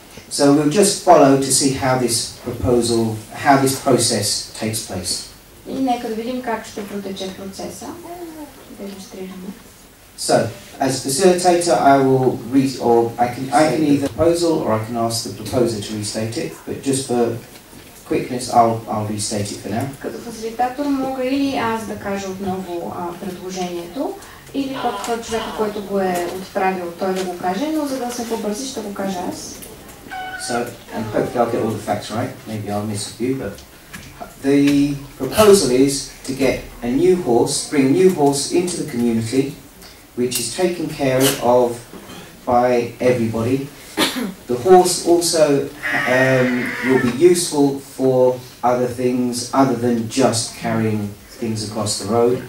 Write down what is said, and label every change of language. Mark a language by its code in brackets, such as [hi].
[en] So we'll just follow to see how this proposal, how this process takes place. [bg] И нека да видим как ще протече процеса. Демонстрираме. [en] So, as facilitator, I can read the proposal or I can ask the proposer to restate it, but just for quickness, I'll restate it for now. [bg] Като фасилитатор мога или аз да кажа отново предложението, или пък човека, който го е отправил, той да го каже, но за да се побързи, ще го кажа аз. [en] So, and hopefully I'll get all the facts right, maybe I'll miss a few, but the proposal is to get a new horse, bring a new horse into the community, which is taken care of by everybody. The horse also will be useful for other things other than just carrying things across the road.